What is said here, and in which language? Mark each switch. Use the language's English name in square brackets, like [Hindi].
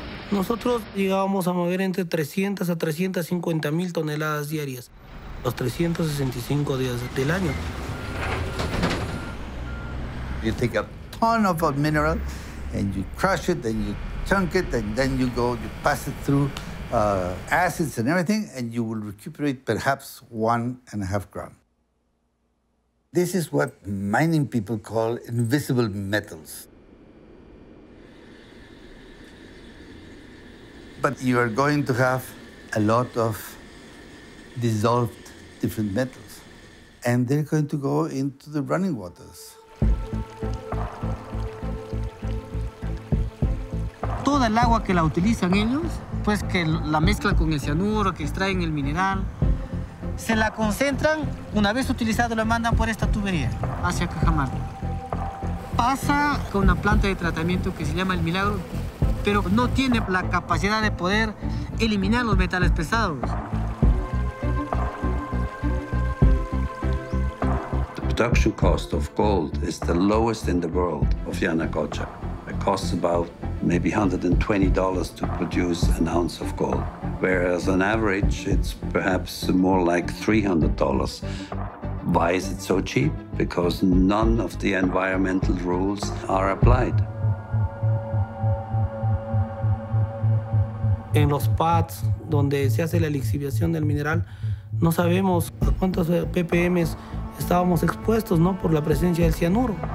[Spanish] Nosotros llegábamos a mover entre 300 a 350 mil toneladas diarias, los 365 días del año. [English] You take a ton of a mineral and you crush it, then you chunk it, and then you go, you pass it through acids and everything, and you will recuperate perhaps 1.5 gram. This is what mining people call invisible metals. But you are going to have a lot of dissolved different metals. And they're going to go into the running waters. [Spanish] Toda el agua que la utilizan ellos, pues que la mezclan con el cianuro, que extraen el mineral, se la concentran, una vez utilizado, la mandan por esta tubería hacia Cajamarca. Pasa con una planta de tratamiento que se llama El Milagro, pero no tiene la capacidad de poder eliminar los metales pesados. [English] The production cost of gold is the lowest in the world of Yanacocha. It costs about maybe $120 to produce an ounce of gold, whereas on average it's perhaps more like $300. Why is it so cheap? Because none of the environmental rules are applied. [Spanish] En los pads donde se hace la lixiviación del mineral, no sabemos a cuántos ppm estábamos expuestos, ¿no?, por la presencia del cianuro.